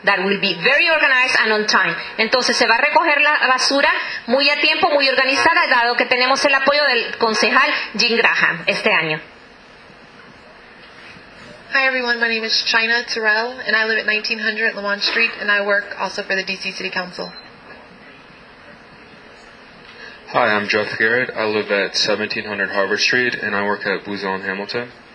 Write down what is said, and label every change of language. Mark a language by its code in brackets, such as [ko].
[en] That will be very organized and on time. [es] Entonces, se va a recoger la basura muy a tiempo, muy organizada, dado que tenemos el apoyo del concejal Jim Graham este año. [en] Hi, everyone. My name is China Terrell, and I live at 1900 Lamont Street, and I work also for the D.C. City Council. Hi, I'm Jeff Garrett. I live at 1700 Harvard Street, and I work at Booz Allen Hamilton.